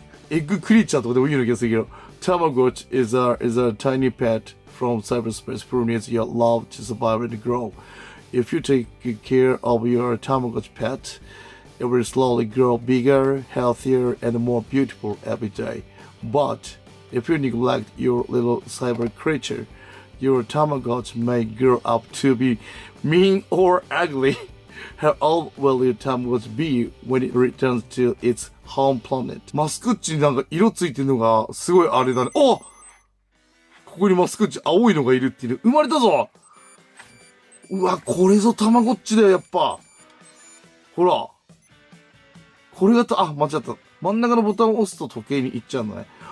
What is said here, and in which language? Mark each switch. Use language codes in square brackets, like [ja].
[ja] エッグクリーチャーとかでもいいの気がするけど。 [en] チャマゴッチ is a tiny pet from cyberspace who needs your love to survive and grow. If you take care of your Tamagotchi pet,It will slowly grow bigger, healthier, and more beautiful every day. But if you neglect your little cyber creature, your Tamagotchi may grow up to be mean or ugly. How old will your Tamagotchi be when it returns to its home planet? [ja] マスクッチになんか色ついてるのがすごいあれだね。お！ここにマスクッチ青いのがいるっていう。生まれたぞ！うわ、これぞタマゴッチだよ、やっぱ。ほら。これがと、あ、間違った。真ん中のボタンを押すと時計に行っちゃうのね。